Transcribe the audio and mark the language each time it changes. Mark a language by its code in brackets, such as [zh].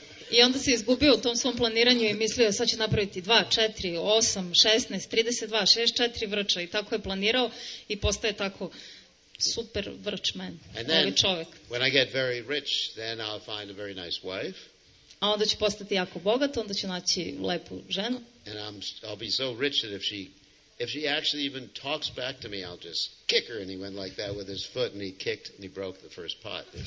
[sr] I onda se izgubio u tom svom planiranju i mislio, sad će napraviti 2, 4, 8, 16, 32, 64 vrča. I tako je planirao i postaje tako super vrč man, ovaj čovjek. [en] When I get very rich, then I'll find a very nice wife. [sr] A onda će postati jako bogat, onda će naći lepu ženu. [en] And I'll be so rich that if she actually even talks back to me, I'll just kick her. And he went like that with his foot, and he kicked and he broke the first pot.